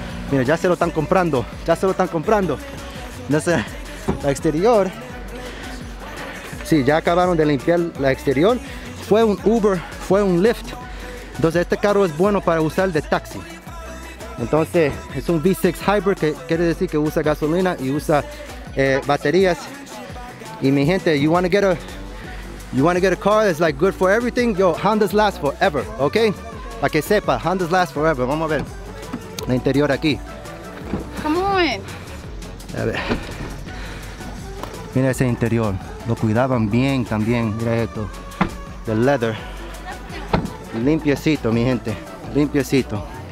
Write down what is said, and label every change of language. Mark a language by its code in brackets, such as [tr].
[es] Mira, ya se lo están comprando. Ya se lo están comprando. Entonces, el exterior. Sí, ya acabaron de limpiar el exterior. Fue un Uber, fue un Lyft. Entonces, este carro es bueno para usar de taxi. Entonces, es un V6 Hybrid, que quiere decir que usa gasolina y usa baterías. Y mi gente, [en] you want to get a car that's like good for everything? Yo, Hondas last forever, ok? [es] Para que sepa, [en] Hondas last forever. [es] Vamos a ver el interior aquí. [en] Come on. [es] A ver. Mira ese interior. Lo cuidaban bien también. Mira esto. [en] The leather. [es] Limpiecito, mi gente. Limpiecito.